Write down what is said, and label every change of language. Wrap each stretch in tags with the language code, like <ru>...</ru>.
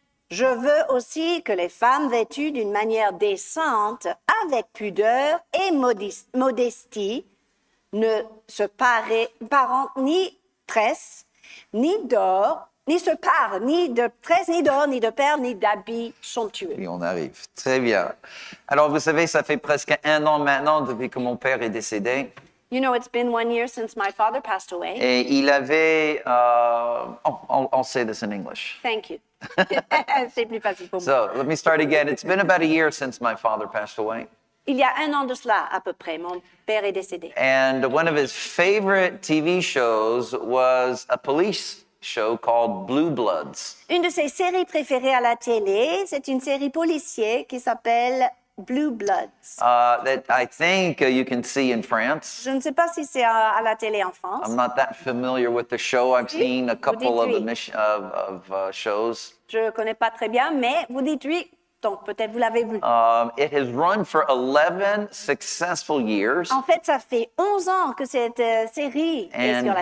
<fr>Je veux aussi que les femmes vêtues d'une manière décente, avec pudeur et modestie, ne se parent ni tresse, ni d'or, ni se parent ni de tresse, ni d'or, ni de perles, ni d'habits somptueux. Oui, on arrive. Très bien. Alors, vous savez, ça fait presque un an maintenant depuis que mon père est décédé.</fr> <en>You know, it's been 1 year since my father passed away.</en> <fr>Et il avait...</fr> <en>I'll say this in English. Thank you.</en> <fr>C'est plus facile pour moi.</fr> <en>So, let me start again. It's been about a year since my father passed away.</en> <fr>Il y a un an de cela, à peu près. Mon père est décédé.</fr> <en>And one of his favorite TV shows was a police show called Blue Bloods.</en> <fr>Une de ses séries préférées à la télé, c'est une série policière qui s'appelle...</fr> <en>Blue Bloods. That I think you can see in France.</en> <fr>Je ne sais pas si c'est à la télé en France.</fr> <en>I'm not that familiar with the show. I've seen a couple of shows.</en> <fr>Je connais pas très bien, mais vous dites oui. Donc peut-être vous l'avez vu.</fr> <en>It has run for 11 successful years.</en> <fr>En fait, ça fait 11 ans que cette série est sur la télé.</fr>